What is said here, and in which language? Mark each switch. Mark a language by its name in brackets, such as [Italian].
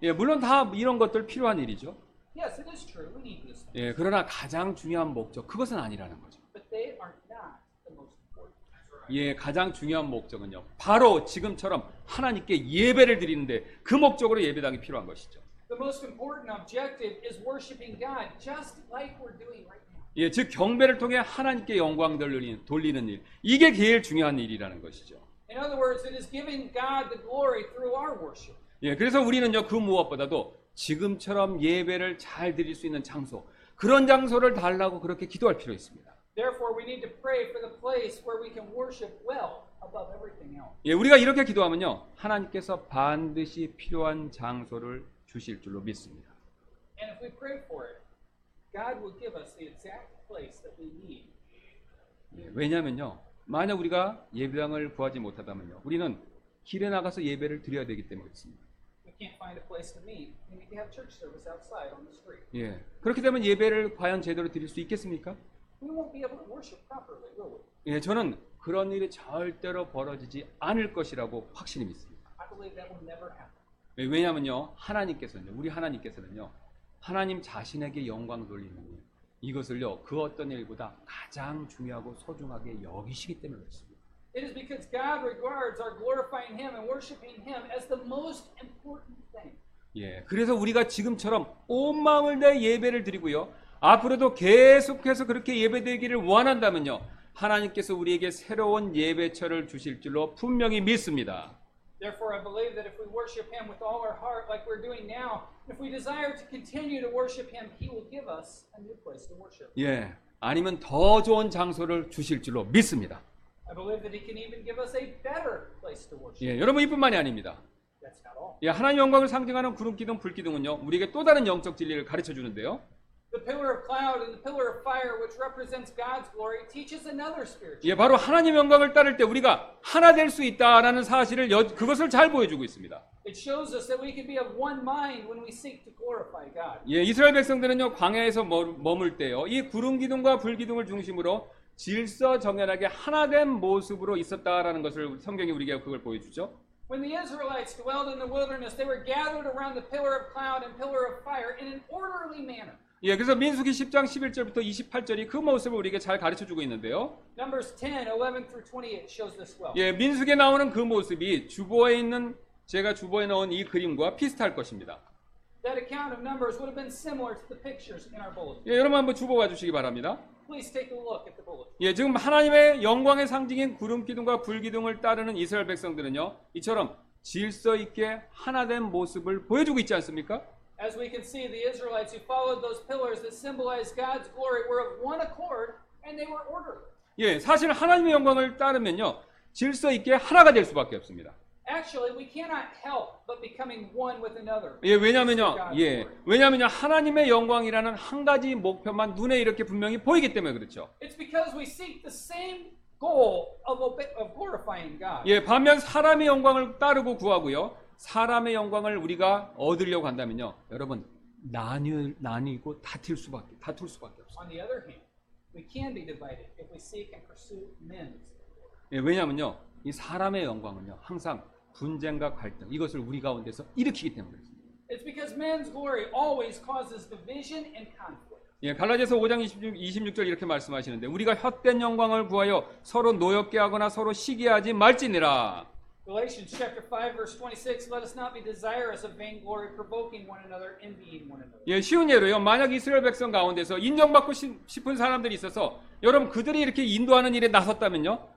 [Korean] 예, 물론 다 이런 것들 필요한 일이죠. [English] Yes, it is true. We need this. [Korean] 예, 그러나 가장 중요한 목적 그것은 아니라는 거죠. [English] But they are not the most important. Right. [Korean] 예, 가장 중요한 목적은요. 바로 지금처럼 하나님께 예배를 드리는데 그 목적으로 예배당이 필요한 것이죠. [English] The most important objective is worshiping God just like we're doing right now. [Korean] 예, 즉 경배를 통해 하나님께 영광 돌리는 일. 이게 제일 중요한 일이라는 것이죠. [English] In other words, it is giving God the glory through our worship. [Korean] 예, 그래서 우리는요, 그 무엇보다도 지금처럼 예배를 잘 드릴 수 있는 장소, 그런 장소를 달라고 그렇게 기도할 필요 있습니다. [English] Therefore, we need to pray for the place where we can worship well above everything else. [Korean] 예, 우리가 이렇게 기도하면요, 하나님께서 반드시 필요한 장소를 주실 줄로 믿습니다. [English] And if we pray for it, God will give us the exact place that we need. [Korean] 예, 왜냐면요, 만약 우리가 예배당을 구하지 못하다면요, 우리는 길에 나가서 예배를 드려야 되기 때문입니다. [English] We can't find a place to meet. We need to have church service outside on the street. [Korean] 예, 그렇게 되면 예배를 과연 제대로 드릴 수 있겠습니까? [English] We won't be able to worship properly, will we? [Korean] 예, 저는 그런 일이 절대로 벌어지지 않을 것이라고 확신이 있습니다. [English] I believe that will never happen. [Korean] 예, 왜냐하면요, 하나님께서는요, 우리 하나님께서는요, 하나님 자신에게 영광 돌리는 일, 이것을요, 그 어떤 일보다 가장 중요하고 소중하게 여기시기 때문입니다. [English] It is because God regards our glorifying Him and worshiping Him as the most important thing. [Korean] 예, 그래서 우리가 지금처럼 온 마음을 내 예배를 드리고요, 앞으로도 계속해서 그렇게 예배드리기를 원한다면요, 하나님께서 우리에게 새로운 예배처를 주실 줄로 분명히 믿습니다. [English] Therefore, I believe that if we worship Him with all our heart, like we're doing now, if we desire to continue to worship Him, He will give us a new place to worship. [Korean] 예, 아니면 더 좋은 장소를 주실 줄로 믿습니다. [English] I believe that He can even give us a better place to worship. [Korean] 예, 여러분 이뿐만이 아닙니다. [English] That's not all. [Korean] 예, 하나님 영광을 상징하는 구름 기둥, 불 기둥은요, 우리에게 또 다른 영적 진리를 가르쳐 주는데요. [English] The pillar of cloud and the pillar of fire, which represents God's glory, teaches another spiritual. [Korean] 예, 바로 하나님 영광을 따를 때 우리가 하나 될 수 있다라는 사실을 그것을 잘 보여주고 있습니다. [English] It shows us that we can be of one mind when we seek to glorify God. [Korean] 예, 이스라엘 백성들은요, 광야에서 머물 때요, 이 구름 기둥과 불 기둥을 중심으로 질서 정연하게 하나 된 모습으로 있었다라는 것을 성경이 우리에게 그걸 보여주죠. [English] When the Israelites dwelled in the wilderness, they were gathered around the pillar of cloud and pillar of fire in an orderly manner. [Korean] 예, 그래서 민수기 10장 11절부터 28절이 그 모습을 우리에게 잘 가르쳐 주고 있는데요. [English] Numbers 10, 11 through 28 shows this well. [Korean] 예, 민수기에 나오는 그 모습이 주보에 있는 제가 주보에 넣은 이 그림과 비슷할 것입니다. [English] That account of Numbers would have been similar to the pictures in our bulletin. [Korean] 예, 여러분 한번 주보 봐 주시기 바랍니다. [English] Please take a look at the bulletin. [Korean] 예, 지금 하나님의 영광의 상징인 구름 기둥과 불 기둥을 따르는 이스라엘 백성들은요, 이처럼 질서 있게 하나 된 모습을 보여주고 있지 않습니까? [English] As we can see, the Israelites who followed those pillars that symbolized God's glory were of one accord and they were orderly. [Korean] 예, 사실 하나님의 영광을 따르면요. 질서 있게 하나가 될 수밖에 없습니다. [English] Actually, we cannot help but becoming one with another. [Korean] 예, 왜냐면요. 예. 왜냐면요. 하나님의 영광이라는 한 가지 목표만 눈에 이렇게 분명히 보이기 때문에 그렇죠. [English] It's because we seek the same goal of glorifying God. [Korean] 예, 반면 사람의 영광을 따르고 구하고요. 사람의 영광을 우리가 얻으려고 한다면요. 여러분, 나뉘고 다툴 수밖에 없어요. [English] On the other hand, we can be divided if we seek and pursue men's. [Korean] 예, 왜냐면요. 이 사람의 영광은요. 항상 분쟁과 갈등 이것을 우리 가운데서 일으키기 때문에. [English] It's because man's glory always causes division and conflict. [Korean] 예, 갈라디아서 5장 26절 이렇게 말씀하시는데 우리가 헛된 영광을 구하여 서로 노엽게 하거나 서로 시기하지 말지니라. [English] Galatians chapter 5 verse 26 let us not be desirous of vainglory provoking one another envying one another. [Korean] 예, 쉬운 예로요. 만약 이스라엘 백성 가운데서 인정받고 싶은 사람들이 있어서 여러분 그들이 이렇게 인도하는 일에 나섰다면요.